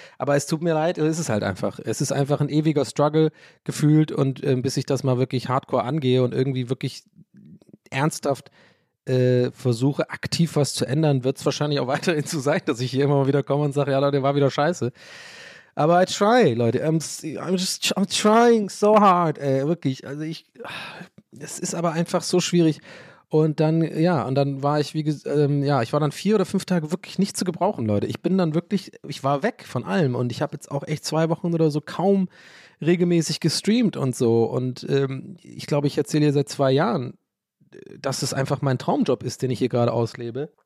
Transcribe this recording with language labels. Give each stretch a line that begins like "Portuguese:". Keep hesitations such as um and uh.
German: Aber es tut mir leid, es ist halt einfach. Es ist einfach ein ewiger Struggle gefühlt und äh, bis ich das mal wirklich hardcore angehe und irgendwie wirklich ernsthaft äh, versuche, aktiv was zu ändern, wird es wahrscheinlich auch weiterhin so sein, dass ich hier immer mal wieder komme und sage, ja Leute, war wieder scheiße. Aber
English: I try,
German: Leute.
English: I'm, I'm just I'm trying so hard, ey, wirklich.
German: Also ich. Ach es ist aber einfach so schwierig. Und dann, ja, und dann war ich, wie ähm, ja, ich war dann vier oder fünf Tage wirklich nicht zu gebrauchen, Leute. Ich bin dann wirklich, ich war weg von allem und ich habe jetzt auch echt zwei Wochen oder so kaum regelmäßig gestreamt und so. Und ähm, ich glaube, ich erzähle seit zwei Jahren, dass es einfach mein Traumjob ist, den ich hier gerade auslebe.